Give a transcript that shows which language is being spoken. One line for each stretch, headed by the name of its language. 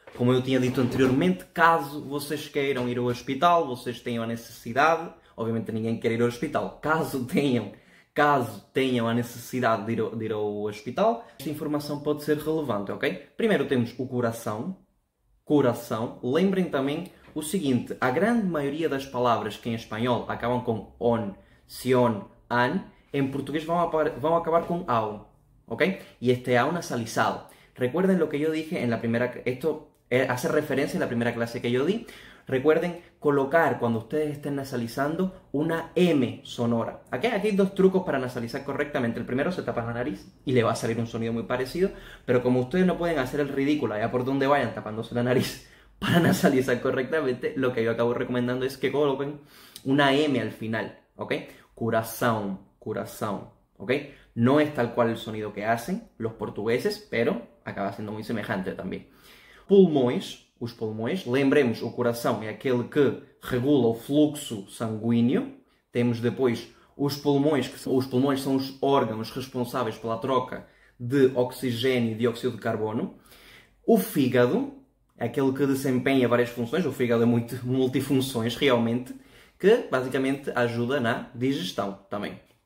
Portuguese: Como eu tinha dito anteriormente, caso vocês queiram ir ao hospital, vocês tenham a necessidade, obviamente ninguém quer ir ao hospital, caso tenham a necessidade de ir ao hospital, esta informação pode ser relevante, ok? Primeiro temos o coração. Coração. Lembrem também o seguinte: a grande maioria das palavras que em espanhol acabam com on, sion, an, em português vão acabar com ao, ok? E este ao nasalizado.
Spanish: Recuerden lo que yo dije en la primera. Esto hace referencia en la primera clase que yo di. Recuerden colocar, cuando ustedes estén nasalizando, una M sonora. Aquí hay dos trucos para nasalizar correctamente. El primero, se tapa la nariz y le va a salir un sonido muy parecido, pero como ustedes no pueden hacer el ridículo allá por donde vayan tapándose la nariz para nasalizar correctamente, lo que yo acabo recomendando es que coloquen una M al final, ¿ok? Curazao, curazao, ¿ok? No es tal cual el sonido que hacen los portugueses, pero acaba siendo muy semejante también.
Portuguese: Pulmões. Os pulmões, lembremos, o coração é aquele que regula o fluxo sanguíneo. Temos depois os pulmões, que são, os pulmões são os órgãos responsáveis pela troca de oxigênio e dióxido de carbono. O fígado é aquele que desempenha várias funções. O fígado é muito multifunções, realmente, que basicamente ajuda na digestão também.